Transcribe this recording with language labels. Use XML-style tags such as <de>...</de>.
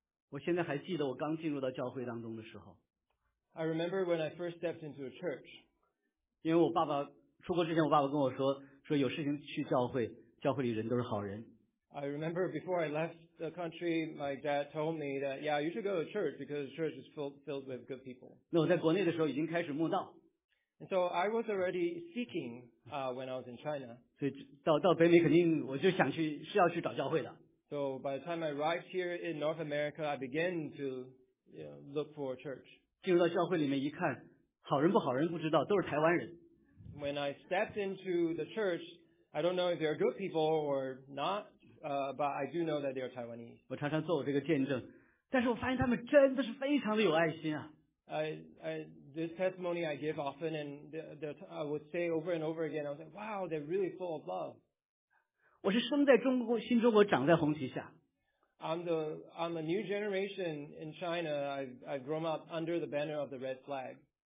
<zh>我现在还记得我刚进入到教会当中的时候。</zh> <en>I remember when I first stepped into a church.</en> <zh>因为我爸爸出国之前，我爸爸跟我说，说有事情去教会，教会里人都是好人。</zh> <en>I remember before I left the country, my dad told me that, yeah, you should go to church because church is filled with good people.</en> <zh>那我在国内的时候已经开始慕道。</zh> <en>And so I was already seeking when I was in China.</en> <zh>所以到北美肯定我就想去是要去找教会的。</zh> <en>So by the time I arrived here in North America, I began to you know, look for a church.</en> <zh>进入到教会里面一看，好人不好人不知道，都是台湾人。</zh> <en>When I stepped into the church, I don't know if they are good people or not, but I do know that they are Taiwanese.</en> <zh>我常常做我这个见证，但是我发现他们真的是非常的有爱心啊。</zh> <en>This testimony I give often, and I would say over and over again, I was like, wow, they're really full of love.</en> <zh>我是生在中国，新中国长在红旗下。</zh> <en>I'm a new generation in China. I've grown up under the banner of the red flag.</en>